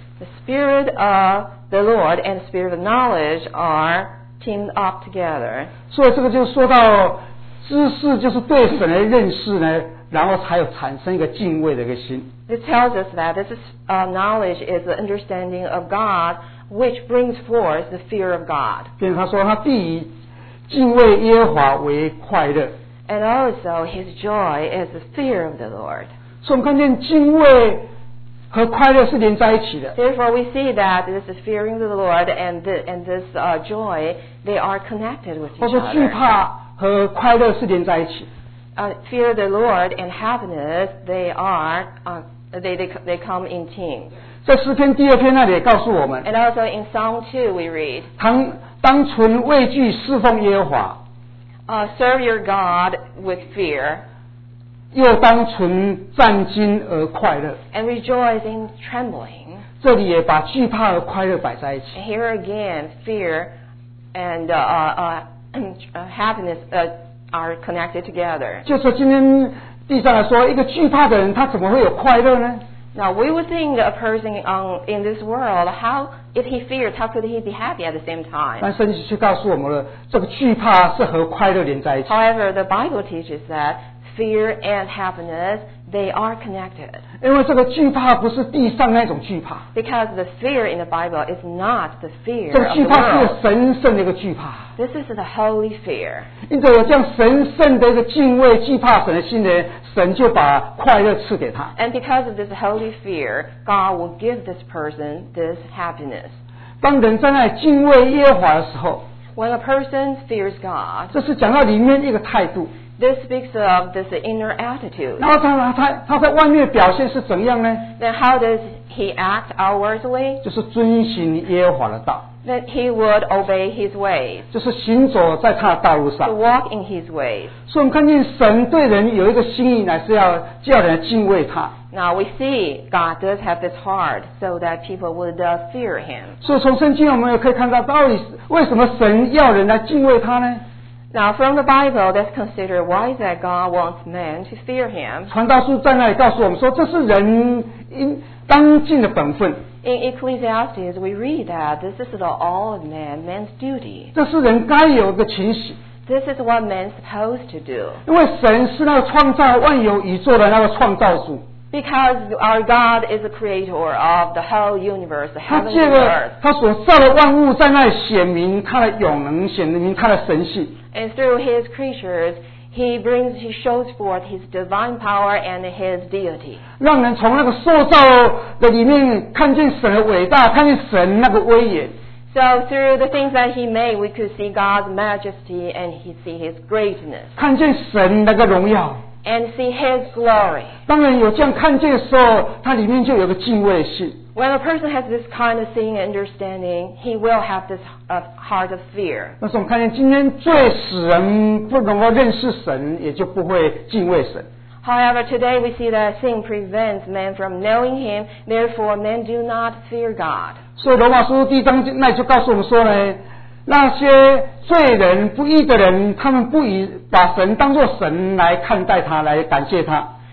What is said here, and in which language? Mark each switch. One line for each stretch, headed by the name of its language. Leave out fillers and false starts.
English: The spirit of the Lord and the spirit of knowledge are teamed up together.
Chinese: 所以这个就说到知识就是对神的认识呢然后才有产生一个敬畏的一个心。
English: This tells us that this is, knowledge is the understanding of God, which brings forth the fear of God.
Chinese: 并且他说他必以敬畏耶和华为快乐。
English: And also his joy is the fear of the Lord.
Chinese: 所以我们看见敬畏和快乐是连在一起的。
English: Therefore we see that this is fearing the Lord and this joy, they are connected with each other.
Chinese: 或者惧怕和快乐是连在一起。
English: Fear the Lord and happiness, they are, they come in team.
Chinese: 在诗篇第二篇那里也告诉我们。
English: And also in Psalm 2 we read.
Chinese: 当存畏惧侍奉耶和华。
English: Serve your God with fear.
Chinese: 又当存战惊而快乐。
English: And rejoice in trembling.
Chinese: 这里也把惧怕和快乐摆在一起。
English: Here again, fear and happiness, are connected together.
Chinese: 就是今天地上来说，一个惧怕的人，他怎么会有快乐呢
English: ？Now we would think a person in this world, how if he fears, how could he be happy at the same time?
Chinese: 但圣经却告诉我们了，这个惧怕是和快乐连在一起。
English: However, the Bible teaches that fear and happiness they are connected.
Chinese: 因为这个惧怕不是地上那种惧怕。
English: Because the fear in the Bible is not the fear of God.
Chinese: 这个惧怕是神圣的一个惧怕。
English: This is the holy fear.
Chinese: 因着有这样神圣的一个敬畏惧怕神的心呢，神就把快乐赐给他。
English: And because of this holy fear, God will give this person this happiness.
Chinese: 当人在那里敬畏耶和华的时候
English: ，When a person fears God,
Chinese: 这是讲到里面一个态度。
English: This speaks of this inner attitude.
Chinese: 然后他在外面的表现是怎样呢
English: ？Then how does he act outwardly?
Chinese: 就是遵行耶和华的道。
English: That he would obey his ways.
Chinese: 就是行走在他的道路上。
English: To walk in his ways.
Chinese: 所以我们看见神对人有一个心意，乃是要叫人敬畏他。
English: Now we see God does have this heart so that people would fear him.
Chinese: 所以从圣经我们也可以看到，到底为什么神要人来敬畏他呢？
English: Now from the Bible, let's consider why that God wants men to fear him.
Chinese: 传道书在那里告诉我们说，这是人应当尽的本分。
English: In Ecclesiastes, we read that this is the all of man, man's duty.
Chinese: 这是人该有的情形。
English: This is what man's supposed to do.
Chinese: 因为神是那个创造万有宇宙的那个创造主。
English: Because our God is the creator of the whole universe, the heavenly earth.
Chinese: 他所造的万物在那里显明他的永能，显明他的神性。
English: And through his creatures, he shows forth his divine power and his deity.
Chinese: 让人从那个塑造的里面看见神的伟大，看见神那个威严。
English: So through the things that he made, we could see God's majesty and see his greatness.
Chinese: 看见神那个荣耀。
English: And see his glory.
Chinese: 当人有这样看见的时候，他里面就有个敬畏心。
English: When a person has this kind of seeing and understanding, he will have this heart of fear.
Chinese: 但是我们看见今天最使人不能够认识神，也就不会敬畏神。
English: However, today we see that sin prevents man from knowing him, therefore men do not fear God.
Chinese: 所以罗马书第一章那就告诉我们说呢，那些罪人不义的人，他们不以把神当作神来看待他，来感谢他。